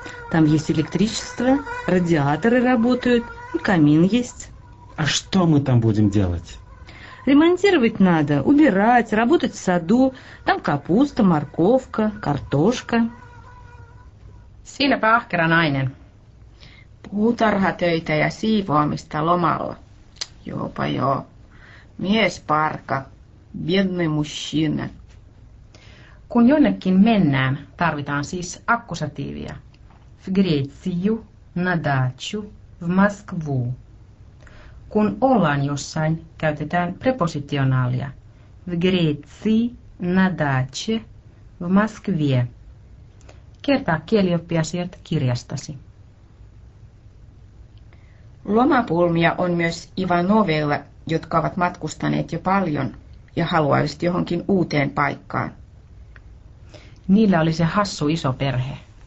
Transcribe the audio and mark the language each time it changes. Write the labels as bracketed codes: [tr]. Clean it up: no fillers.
[ru] Там есть электричество, радиаторы работают, и камин есть. А что мы там будем делать? Ремонтировать надо, убирать, работать в саду. Там капуста, морковка, картошка. [fi] Siinä pahkera nainen. Puutarhatöitä ja siivoamista lomalla. Jopa joo. Mies parka. [ru] Бедный мужчина. [fi] Kun jonnekin mennään, tarvitaan siis akkusatiivia. [ru] В Грецию, на дачу, в Москву. [fi] Kun ollaan jossain, käytetään prepositionaalia. [ru] В Греции, на даче, в Москве. [fi] Kertaa kielioppiasiat kirjastasi. Lomapulmia on myös Ivanoveilla, jotka ovat matkustaneet jo paljon ja haluaisivat johonkin uuteen paikkaan. Niillä oli se hassu iso perhe.